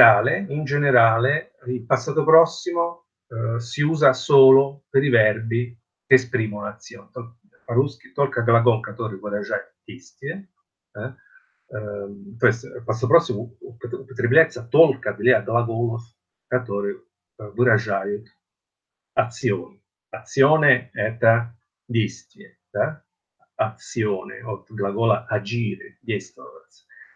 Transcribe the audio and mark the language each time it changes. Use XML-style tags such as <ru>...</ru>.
<it>In generale, il passato prossimo si usa solo per i verbi che esprimono azione.</it> <ru>По-русски только глагол, который выражает действие. То есть il passato prossimo употребляется только для глаголов, которые выражают azioni.</ru> <it>Azione è</it> <ru>действие, да? Azione, от глагола agire, действовать.</ru>